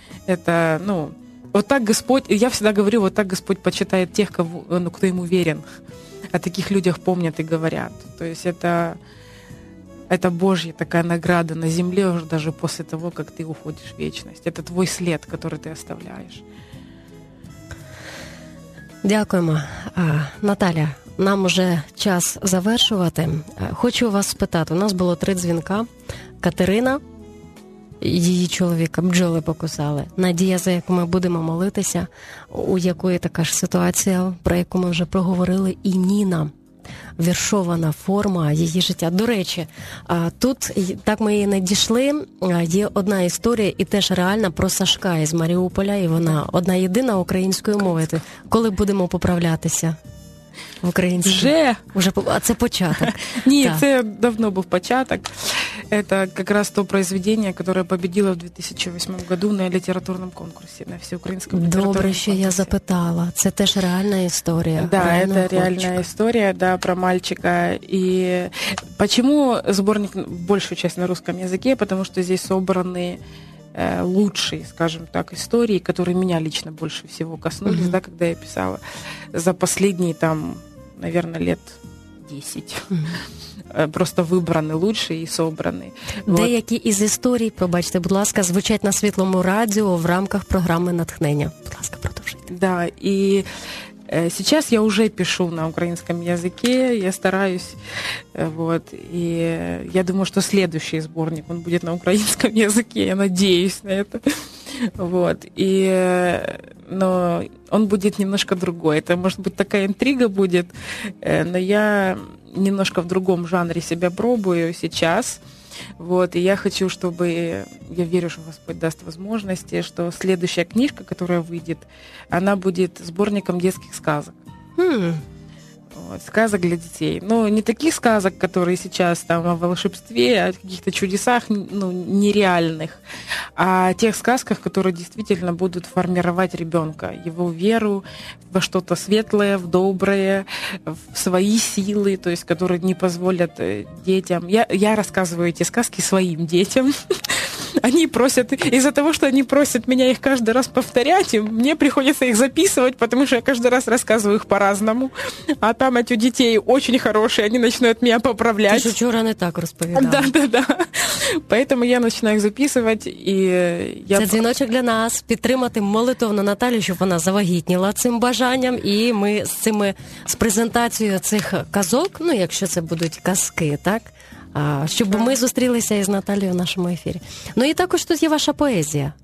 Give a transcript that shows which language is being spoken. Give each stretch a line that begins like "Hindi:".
Russian: Это, ну, вот так Господь, я всегда говорю, вот так Господь почитает тех, кого, ну, кто ему верен. О таких людях помнят и говорят. То есть это Божья такая награда на земле уже даже после того, как ты уходишь в вечность. Это твой след, который ты оставляешь.
Ukrainian: Дякуємо. Наталя, нам вже час завершувати. Хочу вас спитати. У нас було три дзвінка. Катерина, її чоловіка бджоли покусали. Надія, за яку ми будемо молитися, у якої така ж ситуація, про яку ми вже проговорили, і Ніна. Віршована форма її життя. До речі, тут, так ми її не дійшли, є одна історія, і теж реальна, про Сашка із Маріуполя, і вона одна єдина українською мовою. Коли будемо поправлятися в українській? Вже? А це початок. Ні, так. Це давно був початок.
Russian: Это как раз то произведение, которое победило в 2008 году на литературном конкурсе, на всеукраинском литературном конкурсе.
Ukrainian: Добре, що я запитала. Це теж реальна історія.
Russian: Да, это реальная история, да, про мальчика. И почему сборник большую часть на русском языке? Потому что здесь собраны лучшие, скажем так, истории, которые меня лично больше всего коснулись, да, когда я писала за последние, там, наверное, лет 10.
Ukrainian: Просто вибрані лучші і собрані. Деякі вот. Із історій, пробачте, будь ласка, звучать на Світлому радіо в рамках програми «Натхнення». Будь ласка, продовжуйте. Да, і сейчас я вже пишу на українському язикі, я стараюсь, вот, і я думаю, що следующий зборник, він буде на українському язикі, я надіюсь на це.
Russian: Вот, і, но он будет немножко другой, это может быть такая интрига будет, но я немножко в другом жанре себя пробую сейчас, вот, и я хочу, чтобы, я верю, что Господь даст возможности, что следующая книжка, которая выйдет, она будет сборником детских сказок. Вот, сказок для детей. Ну, не таких сказок, которые сейчас там о волшебстве, о каких-то чудесах, ну, нереальных, а о тех сказках, которые действительно будут формировать ребенка, его веру во что-то светлое, в доброе, в свои силы, то есть которые не позволят детям. Я рассказываю эти сказки своим детям. Они просят, из-за того, что они просят меня их каждый раз повторять, мне приходится их записывать, потому что я каждый раз рассказываю их по-разному. А память у детей очень хорошая, они начинают меня поправлять. Ты же вчера не так расповедала. Да, да, да. Поэтому я начинаю их записывать. И я...
Ukrainian: Це дзвіночок для нас, підтримати молитовно Наталю, щоб вона завагітніла цим бажанням. І ми з цими, з презентацією цих казок, ну, якщо це будуть казки, так? Щоб ми зустрілися із Наталією в нашому ефірі. Ну і також тут є ваша поезія.